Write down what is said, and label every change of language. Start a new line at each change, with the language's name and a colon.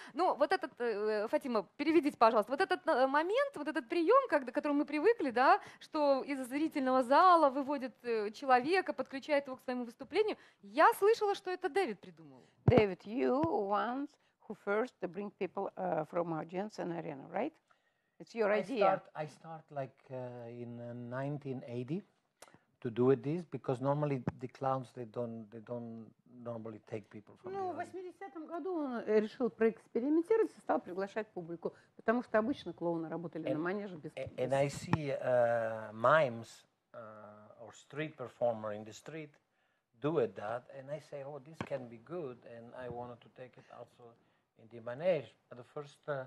Russian: Ну, вот этот, Фатима, переведите, пожалуйста, вот этот момент, вот этот прием, к которому мы привыкли, да, что из зрительного зала выводит человека, подключает его к своему выступлению, я слышала, что это Дэвид придумал.
English: Дэвид, you once who first to bring people from audience and arena, right? It's your idea. I start like in 1980 to do it this because normally the clowns they don't normally take people from.
Russian: Ну, в 80-м году он решил проэкспериментировать и стал приглашать публику, потому что обычно клоуны работали на манеже без.
English: And I see mimes or street performer in the street do it that, and I say, oh, this can be good, and I wanted to take it also in the manege. The first.